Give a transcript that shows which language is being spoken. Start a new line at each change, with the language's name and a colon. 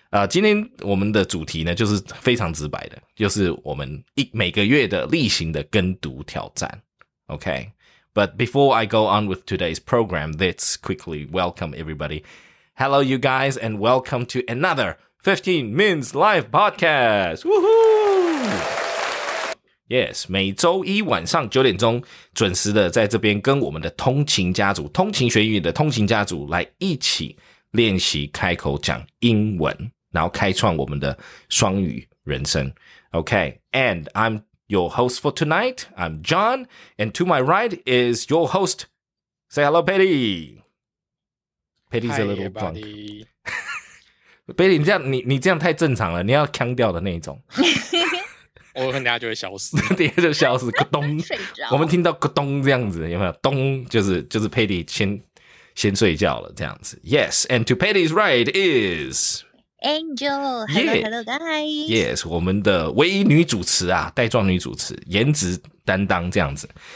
Chinese: 今天我们的主题呢，就是非常直白的，就是我们每个月的例行的跟读挑战。
English: OK, but before I go on with today's program, let's quickly welcome everybody. Hello, you guys, and welcome to another 15 Minutes Live Podcast. Woohoo!
Chinese: Yes, 每周一晚上九点钟准时的在这边跟我们的通勤家族，通勤学语的通勤家族来一起练习开口讲英文，然后开创我们的双语人生。
English: Okay, and I'm your host for tonight. I'm John, and to my right is your host. Say hello, Patty. Patty's a little drunk.
Chinese: Patty, 你这样太正常了，你要腔调的那一种。我可能等一下就会消失，等一下就消失，咕咚。我们听到咕咚这样子，有没有？咚，就是 Patty 先睡觉了，这样子。
English: Yes, and to Patty's right is Angel. Hello, guys.
Chinese: Yes, 我们的唯一女主持啊，带状女主持，颜值担当这样子。